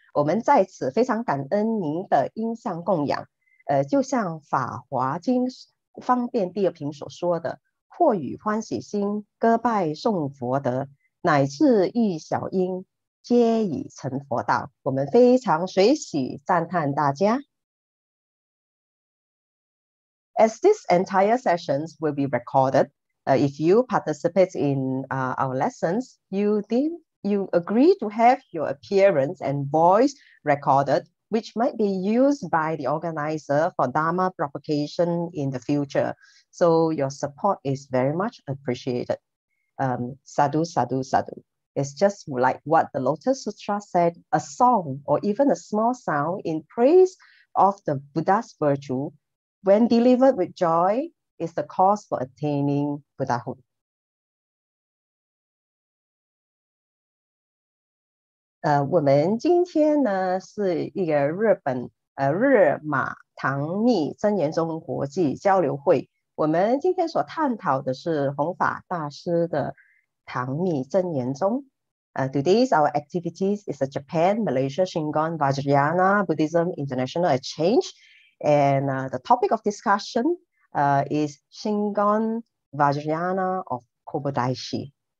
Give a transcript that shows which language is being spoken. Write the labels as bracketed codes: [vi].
[zh] 我们在此非常感恩您的音像供养，就像《法华经》方便第二品所说的。或与欢喜心歌拜颂佛德，乃至一小音，皆已成佛道。我们非常随喜赞叹大家。 [en] As this entire sessions will be recorded, if you participate in our lessons, you agree to have your appearance and voice recorded, which might be used by the organizer for Dharma propagation in the future. So your support is very much appreciated. Sadhu, sadhu, sadhu. It's just like what the Lotus Sutra said, a song or even a small sound in praise of the Buddha's virtue, when delivered with joy, is the cause for attaining Buddhahood. We today is a Japan, Rama Tangmi Zhenyan International Exchange. [zh] 我们今天所探讨的是弘法大师的唐密真言宗。 [en] Today's our activities is a Japan Malaysia Shingon Vajrayana Buddhism International Exchange, and the topic of discussion is Shingon Vajrayana of Kobodaishi.